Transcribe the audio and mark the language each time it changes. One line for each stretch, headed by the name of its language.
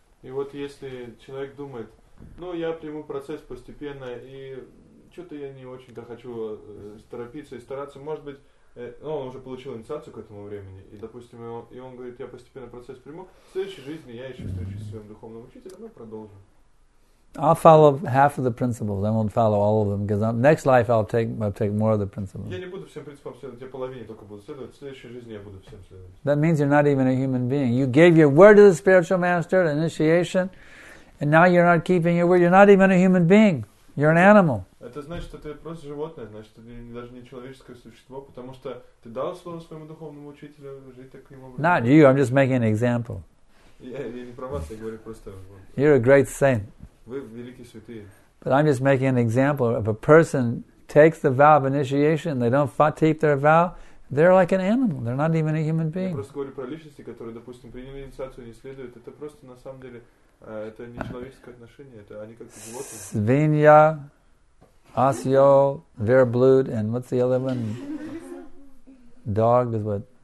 Russian: И вот если человек думает, ну я приму процесс постепенно, и что-то я не очень-то хочу торопиться и стараться, может быть, он уже получил инициацию к этому времени, и допустим, и он говорит, я постепенно процесс приму, в следующей жизни я еще встречусь с своим духовным учителем и продолжу.
English: I'll follow half of the principles. I won't follow all of them because next life I'll take more of the principles.
Russian: Я не буду всем принципам следовать. Я половине только буду следовать. В следующей жизни я буду всем следовать.
English: That means you're not even a human being. You gave your word to the spiritual master at initiation, and now you're not keeping your word. You're not even a human being. You're an animal.
Russian: Это значит, что ты просто животное. Значит, ты даже не человеческое существо, потому что ты дал слово своему духовному учителю жить таким образом.
English: Not you. I'm just making an example.
Russian: Я не про вас. Я говорю просто.
English: You're a great saint. But I'm just making an example. If a person takes the vow of initiation, they don't keep their vow, They're like an animal. They're not even a human being.
Russian: Я просто говорю про личности, которые, допустим, приняли инициацию, не следуют. Это просто на самом деле это не человеческое отношение. Это они как животные. Свинья, осел, верблюд,
English: and what's the other one? Dog is what?